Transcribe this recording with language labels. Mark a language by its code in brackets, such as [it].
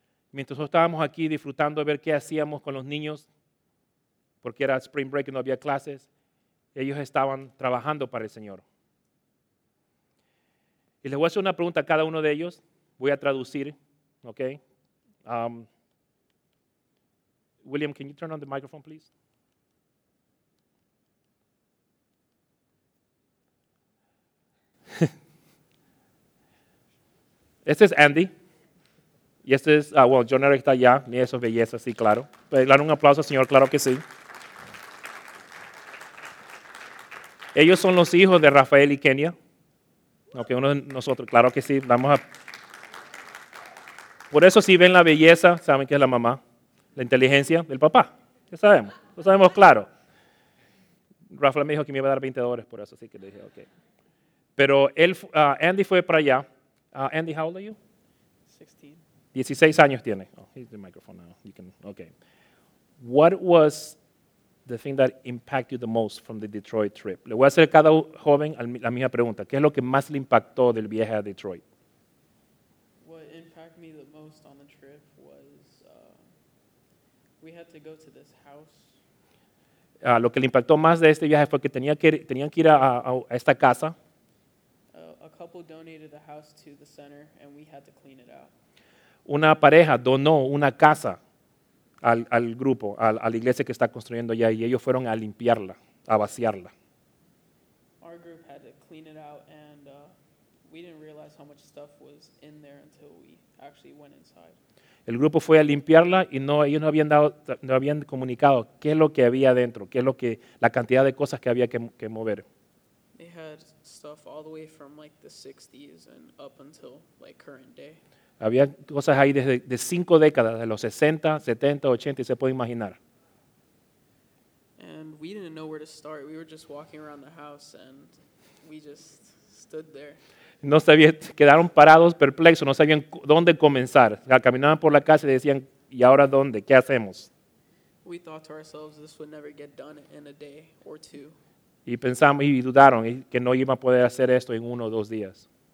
[es] Mientras nosotros estábamos aquí disfrutando de ver qué hacíamos con los niños, porque era Spring Break y no había clases, ellos estaban trabajando para el Señor. Y les voy a hacer una pregunta a cada uno de ellos. Voy a traducir, ¿ok? [en] William, can you turn on the microphone, please? [es] Este es Andy. Y este es, John Eric está allá. Mira esa belleza, sí, claro. ¿Puedo darle un aplauso al Señor? Claro que sí. Ellos son los hijos de Rafael y Kenia. Okay, uno de nosotros, claro que sí, vamos a... Por eso si ven la belleza, saben que es la mamá, la inteligencia del papá, ya sabemos, lo sabemos claro. Rafael me dijo que me iba a dar $20 por eso, así que le dije, ok. Pero él, Andy fue para allá. [en] Andy, how old are you? 16. [es] 16 años tiene. [en] Oh, he's the microphone now. You can, okay. What was the thing that impacted you the most from the Detroit trip? [es] Le voy a hacer a cada joven la misma pregunta. ¿Qué es lo que más le impactó del viaje a Detroit? [en] What impacted me the most on the trip was we had to go to this house. [es] Lo que le impactó más de este viaje fue que tenían que ir a esta casa. [en] A couple donated the house to the center and we had to clean it out. [es] Una pareja donó una casa al grupo, a la iglesia que está construyendo allá, y ellos fueron a limpiarla, a vaciarla. [en] Our group had to clean it out and we didn't realize how much stuff was in there until we actually went inside. [es] El grupo fue a limpiarla y no, ellos no habían dado, no habían comunicado qué es lo que había dentro, qué es lo que, la cantidad de cosas que había que mover. [en] They had stuff all the way from like the 60s and up until like current day. [es] Había cosas ahí desde de 5 décadas, de los 60, 70, 80, se puede imaginar. [en] And we didn't know where to start. We were just walking around the house and we just stood there. [es] No sabían, quedaron parados, perplexos, no sabían dónde comenzar. Caminaban por la casa y decían, ¿y ahora dónde? ¿Qué hacemos? [en] We thought to ourselves this would never get done in a day or two. [es] Y pensamos y dudaron que no iba a poder hacer esto en 1 o 2 días.